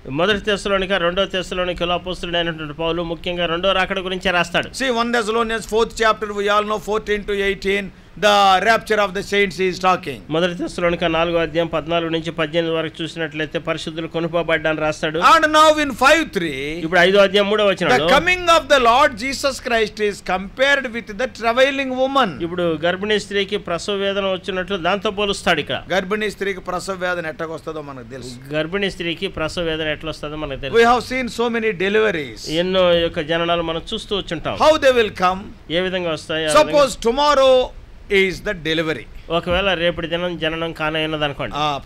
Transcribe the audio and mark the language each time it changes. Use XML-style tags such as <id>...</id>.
<te>మొదటి తెస్సలోనిక, 2 Thessalonians అపొస్తలుడైనటువంటి పౌలు ముఖ్యంగా 2వ రాకడ గురించి రాస్తాడు.</te> <en>See 1 Thessalonians 4th chapter, we all know 14-18, the rapture of the saints is talking.</en> <te>మొదటి తెస్సలోనికా 4:14-18 వరకు చూసినట్లయితే పరిశుద్ధులు కొనుపబడ్డారని రాస్తాడు.</te> <en>and now in 5:3,</en> <te>ఇప్పుడు 5:3</te> <en>the coming of the Lord Jesus Christ is compared with the travailing woman,</en> <te>ఇప్పుడు గర్భిణీ స్త్రీకి ప్రసవ వేదన వచ్చినట్లు దాంతో పోలుస్తాడు. ఇక్కడ గర్భిణీ స్త్రీకి ప్రసవ వేదన ఎట్లాగొస్తుందో మనకు తెలుసు, గర్భిణీ స్త్రీకి ప్రసవ వేదన ఎట్లొస్తుందో మనకు తెలుసు.</te> <en>We have seen so many deliveries,</en> <te>ఎన్నో యొక్క జననాలు మనం చూస్తూ వచ్చుంటాం.</te> <en>How they will come,</en> <te>ఏ విధంగా వస్తాయి.</te> <en>Suppose tomorrow is the delivery,</en> <te>ఒకవేళ రేపటి దినం జననం కానయ్యన్నది అనుకోండి,</te>